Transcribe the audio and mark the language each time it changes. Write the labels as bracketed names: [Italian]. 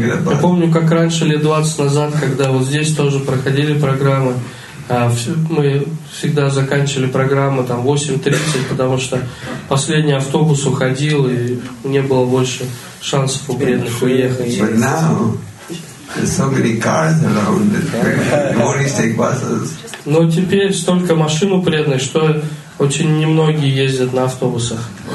[Russian] Я помню, как раньше, лет 20 назад, когда вот здесь тоже проходили программы, мы всегда заканчивали программу там 8:30, потому что последний автобус уходил, и не было больше шансов у преданных уехать. [English] But now, there's so many cars around that you always take buses. [Russian] Но теперь столько машин у преданных, что очень немногие ездят на автобусах.